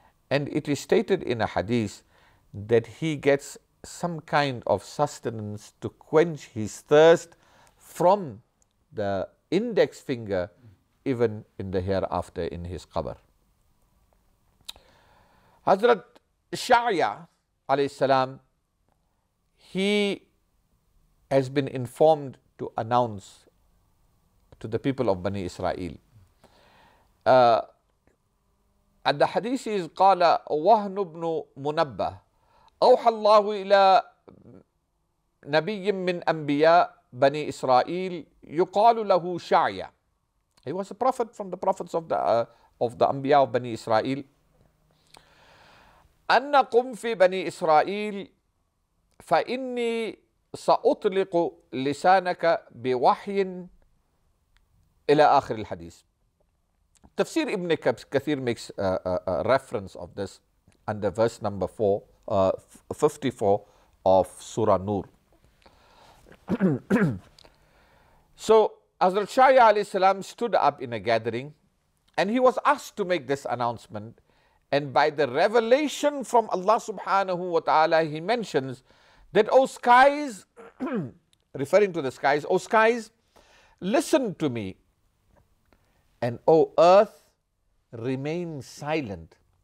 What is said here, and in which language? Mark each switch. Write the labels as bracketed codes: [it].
[en] And it is stated in a hadith that he gets some kind of sustenance to quench his thirst from the index finger even in the hereafter in his qabr. Hazrat Sha'ya alayhi salam, he has been informed to announce to the people of Bani Israel. And the hadith is qala Wahn ibn Munabbah [ar] أوحى الله إلى نبي من أنبياء بني إسرائيل يقال له شعيا. [en] He was a prophet from the prophets of the أنبياء of بني إسرائيل. [ar] أن قم في بني إسرائيل فإني سأطلق لسانك بوحي إلى آخر الحديث. [en] تفسير ابن كثير makes a reference of this under verse number 4. 54 of Surah Nur. So Hazrat Shaya alayhi salam stood up in a gathering and he was asked to make this announcement, and by the revelation from Allah subhanahu wa ta'ala he mentions that, O skies, referring to the skies, O skies, listen to me, and O earth, remain silent.